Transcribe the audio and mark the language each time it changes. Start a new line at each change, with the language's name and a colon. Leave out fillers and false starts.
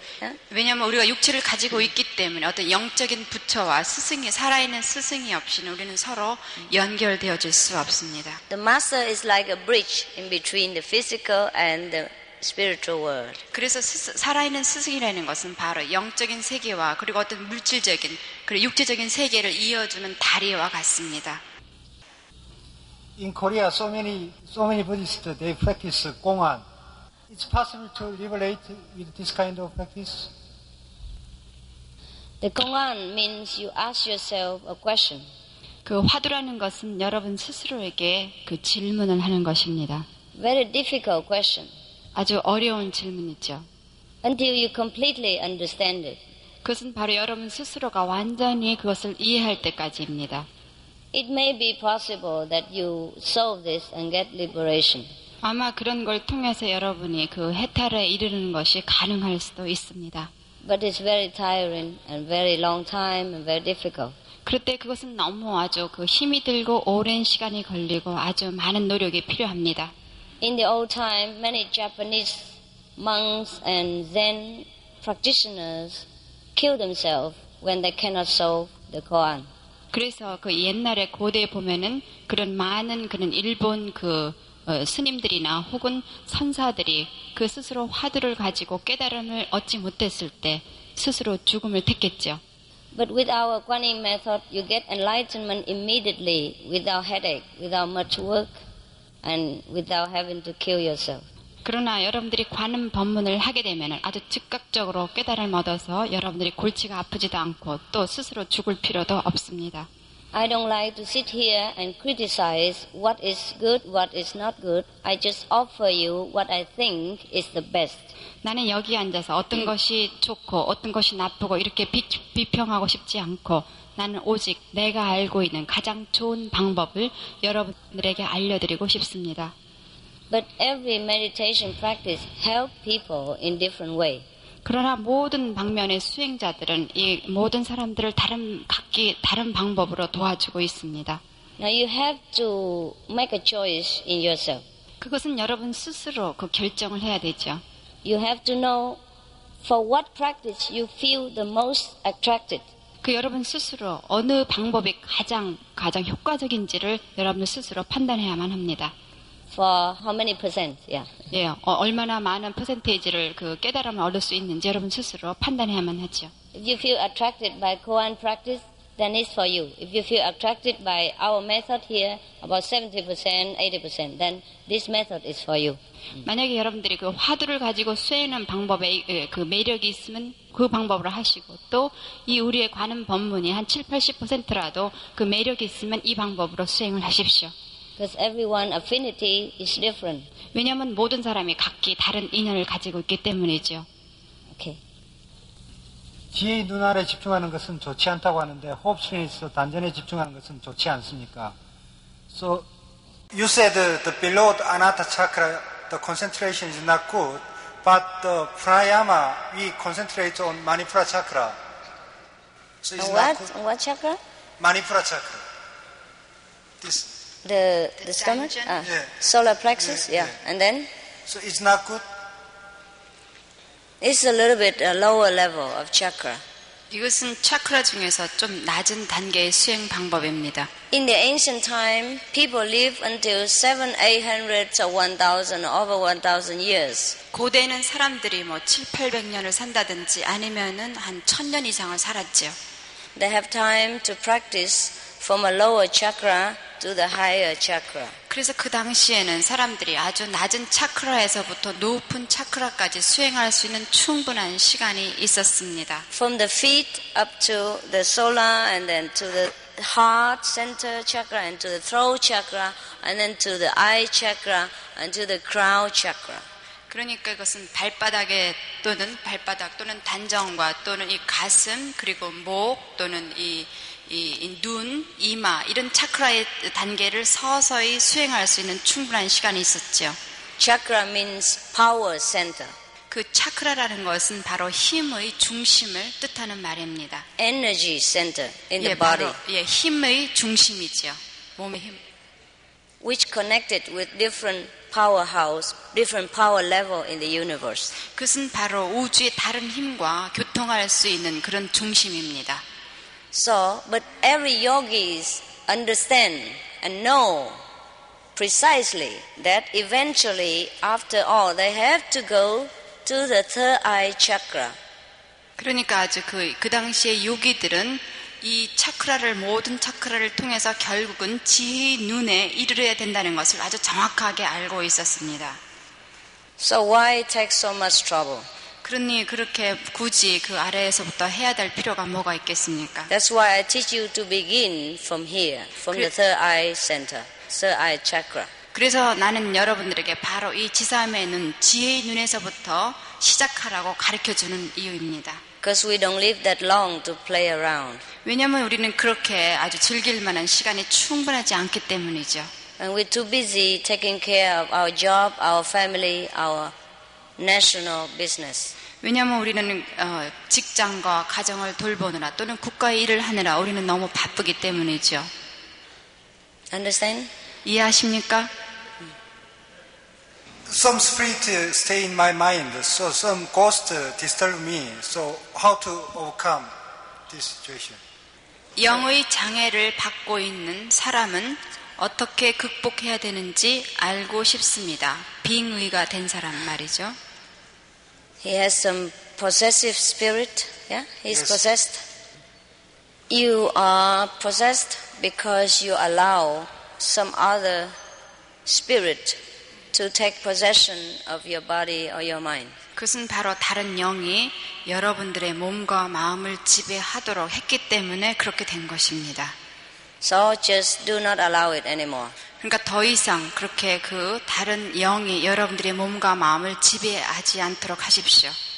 English: Yeah?
Korean: 왜냐하면 우리가 육체를 가지고 있기 때문에 어떤 영적인 부처와 스승이 살아있는 스승이 없이는 우리는 서로 연결되어질 수 없습니다.
English: The master is like a bridge in between the physical and the spiritual world.
Korean: 그래서 살아있는 스승이라는 것은 바로 영적인 세계와 그리고 어떤 물질적인 그리고 육체적인 세계를 이어주는 다리와 같습니다.
English: In Korea, so many Buddhists they practice 공안. It's possible to liberate with this kind of practice. The 공안 means you ask yourself a question.
Korean: 그 화두라는 것은 여러분 스스로에게 그 질문을 하는 것입니다.
English: Very difficult question.
Korean: 아주 어려운 질문이죠.
English: Until you completely understand it.
Korean: 그것은 바로 여러분 스스로가 완전히 그것을 이해할 때까지입니다.
English: It may be possible that you solve this and get liberation.
Korean: 아마 그런 걸 통해서 여러분이 그 해탈에 이르는 것이 가능할 수도 있습니다.
English: But it's very tiring and very long time and very difficult.
Korean: 그럴 때 그것은 너무 아주 그 힘이 들고 오랜 시간이 걸리고 아주 많은 노력이 필요합니다.
English: In the old time, many Japanese monks and Zen practitioners kill themselves when they cannot solve the koan.
Korean: 그래서 그 옛날에 고대에 보면은 그런 많은 그런 일본 그 스님들이나 혹은 선사들이 그 스스로 화두를 가지고 깨달음을 얻지 못했을 때 스스로 죽음을 택했죠.
English: But with our Guanyin method, you get enlightenment immediately without headache, without much work. And without having to kill yourself.
Korean: 그러나 여러분들이 관음 법문을 하게 되면 아주 즉각적으로 깨달음을 얻어서 여러분들이 골치가 아프지도 않고 또 스스로 죽을 필요도 없습니다.
English: I don't like to sit here and criticize what is good, what is not good. I just offer you what I think is the best.
Korean: 나는 여기 앉아서 어떤 것이 좋고 어떤 것이 나쁘고 이렇게 비평하고 싶지 않고 나는 오직 내가 알고 있는 가장 좋은 방법을 여러분들에게 알려드리고 싶습니다.
English: But every meditation practice helps people in different way.
Korean: 그러나 모든 방면의 수행자들은 이 모든 사람들을 다른 각기 다른 방법으로 도와주고 있습니다.
English: Now you have to make a choice in yourself.
Korean: 그것은 여러분 스스로 그 결정을 해야 되죠.
English: You have to know for what practice you feel the most attracted.
Korean: 그 여러분 스스로 어느 방법이 가장 효과적인지를 여러분 스스로 판단해야만 합니다.
English: For how many percent? Yeah.
Korean: 예, 얼마나 많은 퍼센테이지를 그 깨달음을 얻을 수 있는지 여러분 스스로 판단해야만 하죠.
English: If you feel attracted by koan practice, then it's for you. If you feel attracted by our method here, about 70%, 80%, then this method is for you.
Korean: 만약에 여러분들이 그 화두를 가지고 수행하는 방법에 그 매력이 있으면 그 방법으로 하시고 또 이 우리의 관음 법문이 한 7, 80%라도 그 매력이 있으면 이 방법으로 수행을 하십시오.
English: Because everyone's affinity is different.
Korean: 왜냐하면 모든 사람이 각기 다른 인연을 가지고 있기 때문이죠.
English: Okay.
Korean: 지혜의 눈알에 집중하는 것은 좋지 않다고 하는데 호흡순에서 단전에 집중하는 것은 좋지 않습니까?
English: So, you said the below the anatta chakra, the concentration is not good, but the pranayama, we concentrate on manipura chakra. So it's what? Not good. What chakra? Manipura chakra. This... The stomach? Ah, yeah. Solar plexus? Yeah, yeah. Yeah. And then? So it's not good? It's a little bit a lower level of chakra.
Korean: 이것은 차크라 중에서 좀 낮은 단계의 수행 방법입니다.
English: In the ancient time, people lived until 700, 800, or 1,000 years.
Korean: 고대는 사람들이 뭐 7, 800년을 산다든지 아니면은 한 1,000년 이상을 살았지요.
English: They have time to practice from a lower chakra to the higher chakra.
Korean: 그래서 그 당시에는 사람들이 아주 낮은 차크라에서부터 높은 차크라까지 수행할 수 있는 충분한 시간이 있었습니다.
English: From the feet up to the solar and then to the heart center chakra and to the throat chakra and then to the eye chakra and to the crown chakra.
Korean: 그러니까 이것은 발바닥에 또는 발바닥 또는 단정과 또는 이 가슴 그리고 목 또는 이 눈, 이마 이런 차크라의 단계를 서서히 수행할 수 있는 충분한 시간이 있었죠.
English: Chakra means power center.
Korean: 그 차크라라는 것은 바로 힘의 중심을 뜻하는 말입니다.
English: Energy center in the body.
Korean: 예, 힘의 중심이죠. 몸의 힘.
English: Which connected with different powerhouse, different power level in the universe.
Korean: 그것은 바로 우주의 다른 힘과 교통할 수 있는 그런 중심입니다.
English: So, but every yogis understand and know precisely that eventually, after all, they have to go to the third eye chakra.
Korean: 그러니까 아주 그 당시의 요기들은 이 차크라를 모든 차크라를 통해서 결국은 지혜의 눈에 이르러야 된다는 것을 아주 정확하게 알고 있었습니다.
English: So why take so much trouble?
Korean: 그러니 그렇게 굳이 그 아래에서부터 해야 될 필요가 뭐가 있겠습니까?
English: That's why I teach you to begin from here, from the third eye center, third eye chakra.
Korean: 그래서 나는 여러분들에게 바로 이 지사함의 눈, 지혜의 눈에서부터 시작하라고 가르쳐주는 이유입니다.
English: Because we don't live that long to play around.
Korean: 왜냐하면 우리는 그렇게 아주 즐길만한 시간이 충분하지 않기 때문이죠.
English: And we're too busy taking care of our job, our family, our national business.
Korean: 왜냐하면 우리는 직장과 가정을 돌보느라 또는 국가의 일을 하느라 우리는 너무 바쁘기 때문이죠.
English: Understand?
Korean: 이해하십니까?
English: Some spirit stay in my mind, so some ghost disturb me. So how to overcome this situation?
Korean: 영의 장애를 받고 있는 사람은 어떻게 극복해야 되는지 알고 싶습니다. 빙의가 된 사람 말이죠.
English: He has some possessive spirit. Yeah, he's possessed. You are possessed because you allow some other spirit to take possession of your body or your mind.
Korean: 그것은 바로 다른 영이 여러분들의 몸과 마음을 지배하도록 했기 때문에 그렇게 된 것입니다.
English: So just do not allow it anymore.
Korean: 그러니까 더 이상 그렇게 그 다른 영이 여러분들의 몸과 마음을 지배하지 않도록 하십시오.